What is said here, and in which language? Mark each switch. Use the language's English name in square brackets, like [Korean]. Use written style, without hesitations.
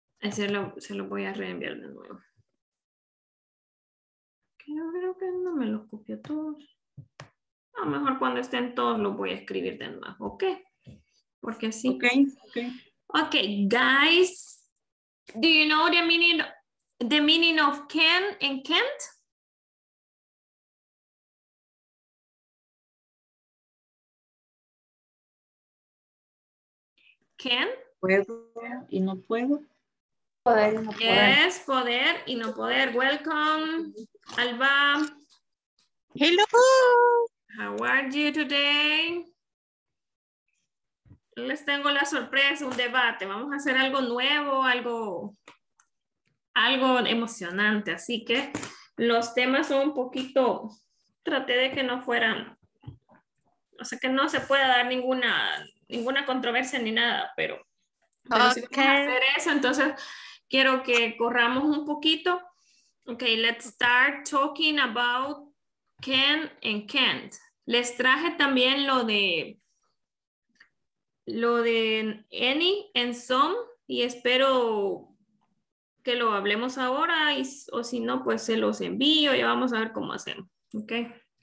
[Spanish] Se lo voy a reenviar de nuevo. Creo que no me los copio todos. A lo mejor cuando estén todos los voy a escribir de nuevo, ¿ok? Porque sí. [English] Ok, guys. Do you know the meaning of can and can't? Can. [Spanish] Puedo y no puedo. Poder y no poder. Yes, poder y no poder. [English] Welcome, Alba. Hello. How are you today? [Spanish] Les tengo la sorpresa, un debate. Vamos a hacer algo nuevo, algo emocionante. Así que los temas son un poquito... Traté de que no fueran... O sea, que no se pueda dar ninguna controversia ni nada, pero okay. Si vamos a hacer eso, entonces quiero que corramos un poquito. [English] Okay, let's start talking about can and can't. [Spanish] Les traje también lo de any and some y espero que lo hablemos ahora o si no, pues se los envío y vamos a ver cómo hacemos. Okay.